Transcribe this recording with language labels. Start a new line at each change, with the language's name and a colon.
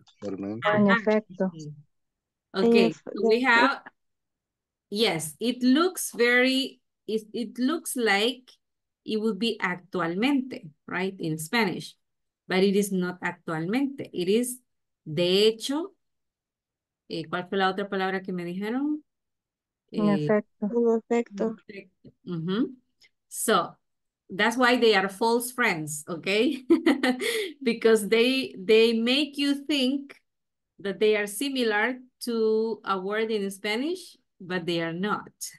Spanish: En efecto.
English: Okay, we have, yes, it looks like it would be actualmente, right, in Spanish, but it is not actualmente. It is de hecho.
Spanish: ¿Cuál fue la otra palabra que me dijeron? En efecto. Mm-hmm.
English: So that's why they are false friends, okay? Because they make you think that they are similar to a word in Spanish, but they are not.